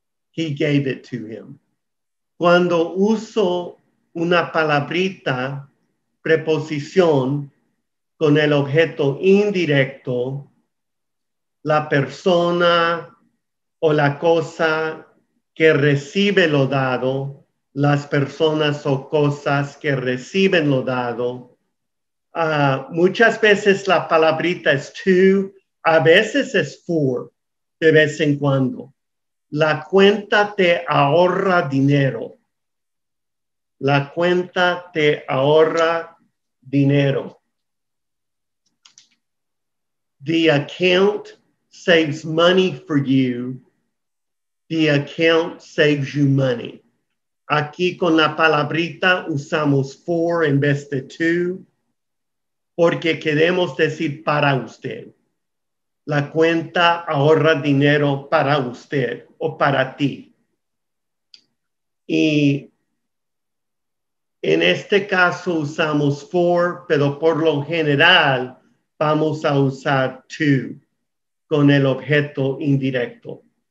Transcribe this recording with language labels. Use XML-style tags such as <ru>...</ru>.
<en>He gave it to him.</en> <es>Cuando uso una palabrita preposición con el objeto indirecto, la persona o la cosa que recibe lo dado, las personas o cosas que reciben lo dado. Muchas veces la palabrita es to, a veces es for, de vez en cuando. La cuenta te ahorra dinero. La cuenta te ahorra dinero.</es> <en>The account saves money for you. The account saves you money.</en> <es>Aquí con la palabrita usamos for en vez de to, porque queremos decir para usted. La cuenta ahorra dinero para usted o para ti. Y en este caso usamos for, pero por lo general vamos a usar to con el objeto indirecto.</es>